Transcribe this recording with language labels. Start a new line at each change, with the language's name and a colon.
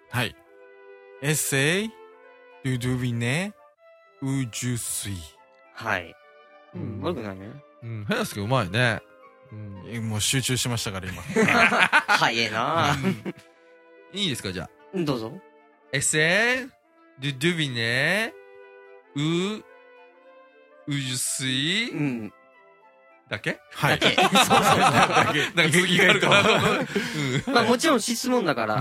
French: はい、 Essaye de deviner où je suis、
Japanese: はい、うん、悪くないね、うん、平介うまいね、うん、もう集中しましたから今早いな、うん、いいですか、じゃあどうぞ。
French: Essaye de deviner où je suis、
Japanese: うん、だけ、はい、だけ、そうそう、なんか続きがあるかな、うん、まあもちろん質問だから、